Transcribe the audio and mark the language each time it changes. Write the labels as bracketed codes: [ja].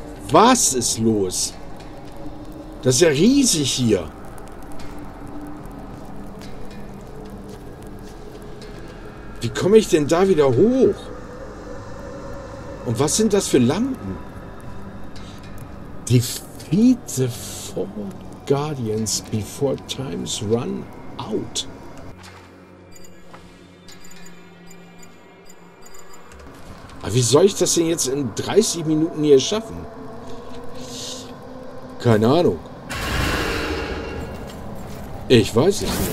[de] Was ist los? Das ist ja riesig hier. Wie komme ich denn da wieder hoch? Und was sind das für Lampen? [en] Defeat the four guardians before times run out. [de] Aber wie soll ich das denn jetzt in 30 Minuten hier schaffen? Keine Ahnung. Ich weiß es nicht.